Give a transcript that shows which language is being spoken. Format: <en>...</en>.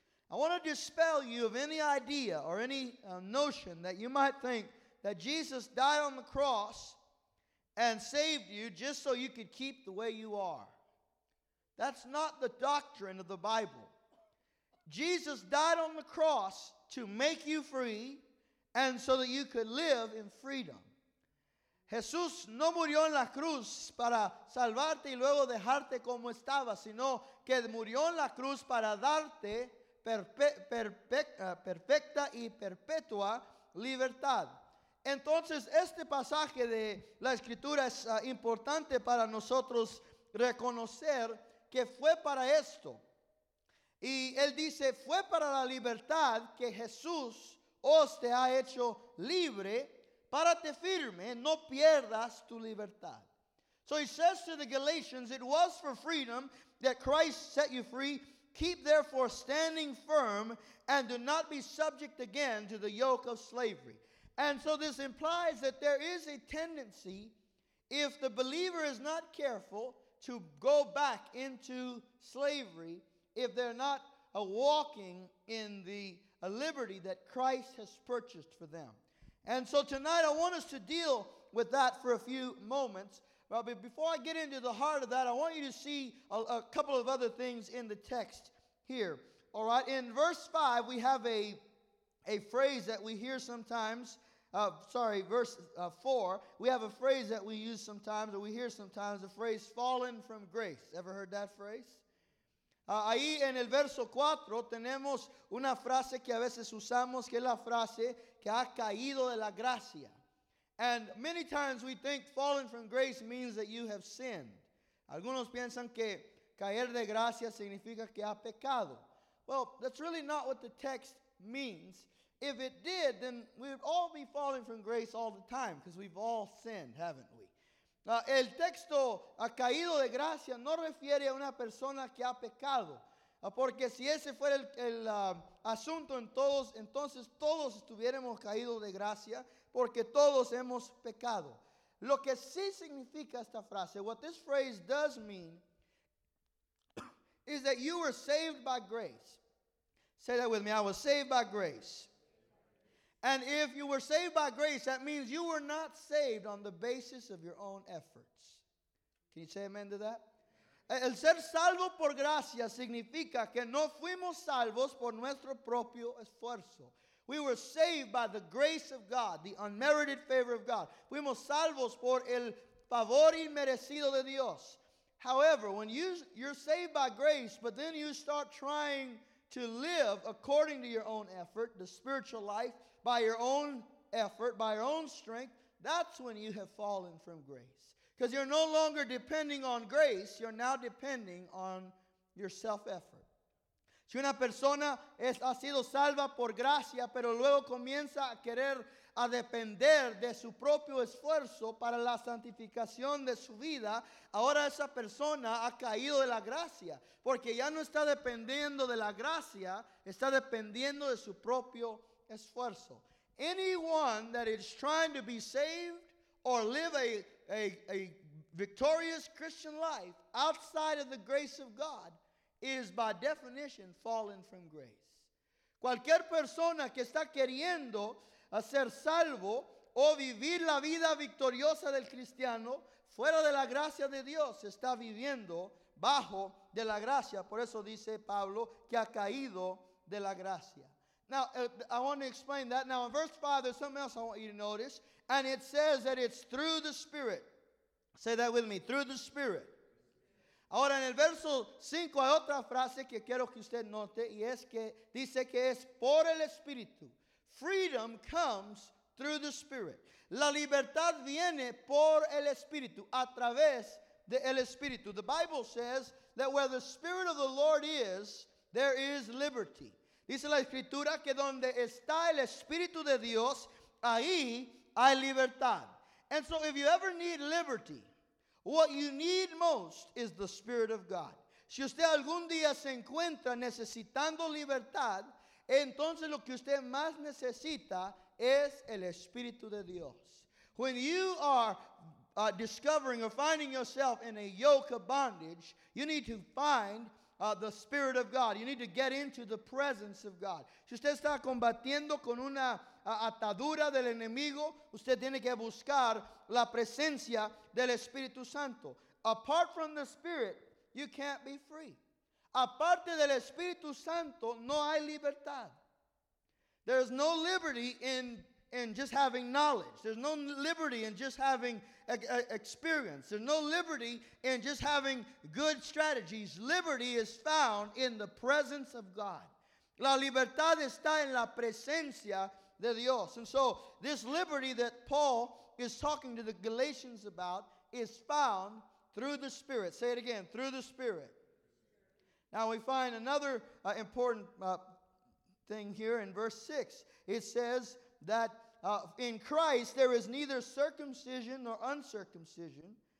<en>I want to dispel you of any idea or any notion that you might think that Jesus died on the cross and saved you just so you could keep the way you are. That's not the doctrine of the Bible. Jesus died on the cross to make you free and so that you could live in freedom.</en> <es>Jesús no murió en la cruz para salvarte y luego dejarte como estaba, sino que murió en la cruz para darte perfecta y perpetua libertad. Entonces, este pasaje de la Escritura es importante para nosotros reconocer que fue para esto. Y él dice, fue para la libertad que Jesús os te ha hecho libre. Párate firme, no pierdas tu libertad.</es> <en>So he says to the Galatians, it was for freedom that Christ set you free. Keep therefore standing firm and do not be subject again to the yoke of slavery. And so this implies that there is a tendency, if the believer is not careful, to go back into slavery if they're not walking in the liberty that Christ has purchased for them. And so tonight I want us to deal with that for a few moments. Well, but before I get into the heart of that, I want you to see a couple of other things in the text here. All right, in verse 5, we have a phrase that we hear sometimes. Verse 4, we have a phrase that we use sometimes, or we hear sometimes, the phrase, fallen from grace. Ever heard that phrase?</en> <es>Ahí en el verso 4, tenemos una frase que a veces usamos, que es la frase que ha caído de la gracia.</es> <en>And many times we think falling from grace means that you have sinned.</en> <es>Algunos piensan que caer de gracia significa que ha pecado.</es> <en>Well, that's really not what the text means. If it did, then we would all be falling from grace all the time because we've all sinned, haven't we?</en> <es>El texto ha caído de gracia no refiere a una persona que ha pecado. Porque si ese fuera asunto en todos, entonces todos estuviéramos caídos de gracia, porque todos hemos pecado. Lo que sí significa esta frase,</es> <en>what this phrase does mean, is that you were saved by grace. Say that with me, I was saved by grace. And if you were saved by grace, that means you were not saved on the basis of your own efforts. Can you say amen to that?</en> <es>El ser salvo por gracia significa que no fuimos salvos por nuestro propio esfuerzo.</es> <en>We were saved by the grace of God, the unmerited favor of God.</en> <es>Fuimos salvos por el favor inmerecido de Dios.</es> <en>However, when you're saved by grace, but then you start trying to live according to your own effort, the spiritual life, by your own effort, by your own strength, that's when you have fallen from grace. Because you're no longer depending on grace, you're now depending on your self-effort.</en> <es>Si una persona ha sido salva por gracia, pero luego comienza a querer a depender de su propio esfuerzo para la santificación de su vida, ahora esa persona ha caído de la gracia, porque ya no está dependiendo de la gracia, está dependiendo de su propio esfuerzo.</es> <en>Anyone that is trying to be saved or live a victorious Christian life outside of the grace of God is by definition fallen from grace.</en> <es>Cualquier persona que está queriendo ser salvo o vivir la vida victoriosa del cristiano fuera de la gracia de Dios está viviendo bajo de la gracia. Por eso dice Pablo que ha caído de la gracia.</es> <en>Now, I want to explain that. Now, in verse 5, there's something else I want you to notice. And it says that it's through the Spirit. Say that with me, through the Spirit.</en> <es>Ahora, en el verso 5, hay otra frase que quiero que usted note, y es que dice que es por el Espíritu.</es> <en>Freedom comes through the Spirit.</en> <es>La libertad viene por el Espíritu, a través del Espíritu.</es> <en>The Bible says that where the Spirit of the Lord is, there is liberty.</en> <es>Dice la Escritura que donde está el Espíritu de Dios, ahí hay libertad.</es> <en>And so if you ever need liberty, what you need most is the Spirit of God.</en> <es>Si usted algún día se encuentra necesitando libertad, entonces lo que usted más necesita es el Espíritu de Dios.</es> <en>When you are discovering or finding yourself in a yoke of bondage, you need to find the Spirit of God. You need to get into the presence of God.</en> <es>Si usted está combatiendo con una atadura del enemigo, usted tiene que buscar la presencia del Espíritu Santo.</es> <en>Apart from the Spirit, you can't be free.</en> <es>Aparte del Espíritu Santo, no hay libertad.</es> <en>There's no liberty in just having knowledge. There's no liberty in just having experience. There's no liberty in just having good strategies. Liberty is found in the presence of God.</en> <es>La libertad está en la presencia de Dios.</es> <en>And so this liberty that Paul is talking to the Galatians about is found through the Spirit. Say it again, through the Spirit. Now we find another important thing here in verse 6. It says that in Christ there is neither circumcision nor uncircumcision.</en>